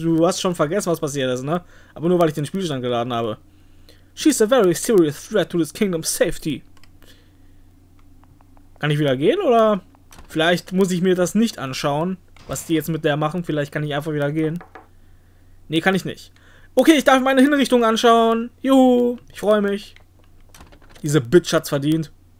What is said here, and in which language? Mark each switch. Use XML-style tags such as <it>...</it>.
<de>Du hast schon vergessen, was passiert ist, ne? Aber nur, weil ich den Spielstand geladen habe.</de> <en>She's a very serious threat to this kingdom's safety.</en> <de>Kann ich wieder gehen, oder? Vielleicht muss ich mir das nicht anschauen, was die jetzt mit der machen. Vielleicht kann ich einfach wieder gehen. Nee, kann ich nicht. Okay, ich darf meine Hinrichtung anschauen. Juhu, ich freue mich. Diese Bitch hat's verdient.</de>